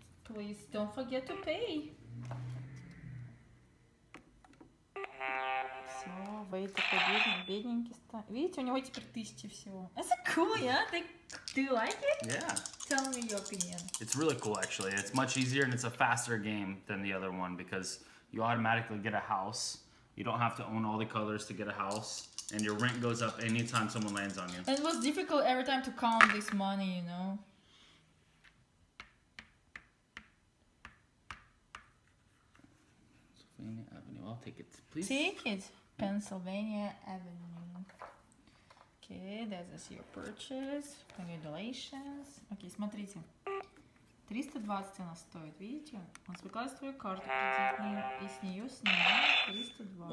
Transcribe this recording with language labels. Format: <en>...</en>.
<en>Please don't forget to pay.</en> <ru>Все, вы такой бедненький стали. Видите, у него теперь 1000 всего.</ru> <en>That's cool, yeah? Do you like it? Yeah. Tell me your opinion. It's really cool, actually. It's much easier and it's a faster game than the other one because you automatically get a house. You don't have to own all the colors to get a house. And your rent goes up anytime someone lands on you. It was difficult every time to count this money, you know? Pennsylvania Avenue. I'll take it, please. Take it. Pennsylvania Avenue. Okay, that's your purchase. Congratulations.</en> <ru>Okay, смотрите. 320 у нас стоит, видите? Он спекает свою карту, и с нее снимает 320.</ru>